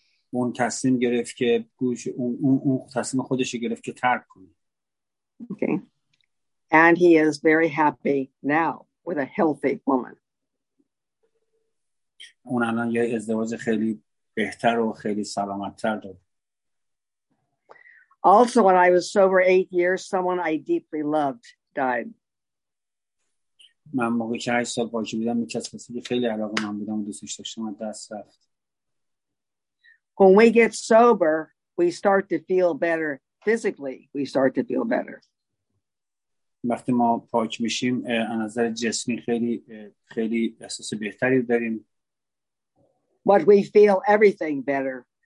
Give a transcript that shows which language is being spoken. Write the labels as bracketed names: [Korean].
[Persian] اون تصمیم گرفت که گوش اون تصمیم خودش گرفت که ترک کنه. [English] Okay. And he is very happy now with a healthy woman. [Persian] اون الان یه ازدواج خیلی بهتر و خیلی سلامت‌تر داره. [English] Also, when I was sober 8 years, someone I deeply loved died. [Persian] من موقعی که 8 سال باقی بودم، یک از کسی که خیلی علاقه من بودم و دوستش داشتم از دست رفت. [English] When we get sober, we start to feel better physically. We start to feel better. [Persian] وقتی ما پاک میشیم، از نظر جسمی خیلی خیلی احساس بهتری داریم. [English] But we feel everything better.